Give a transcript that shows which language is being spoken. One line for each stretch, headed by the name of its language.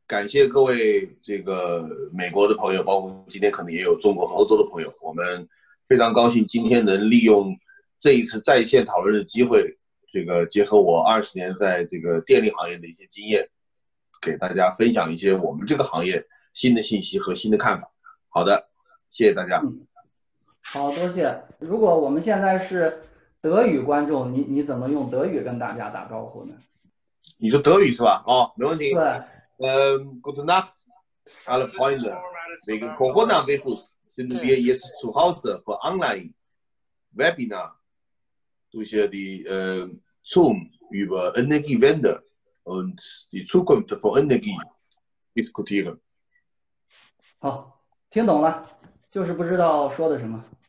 Chinese: 感谢各位这个美国的朋友，包括今天可能也有中国和欧洲的朋友，我们非常高兴今天能利用这一次在线讨论的机会，这个结合我20年在这个电力行业的一些经验，给大家分享一些我们这个行业新的信息和新的看法。好的，谢谢大家。好，多谢。如果我们现在是德语观众，你怎么用德语跟大家打招呼呢？你说德语是吧？哦，没问题。对。
German: Guten Nacht, alle Freunde. Wegen Corona Virus sind wir jetzt zu Hause für online Webinar durch die Zoom über Energiewende und die Zukunft von Energie diskutieren.
Chinese: 好，听懂了，就是不知道说的什么。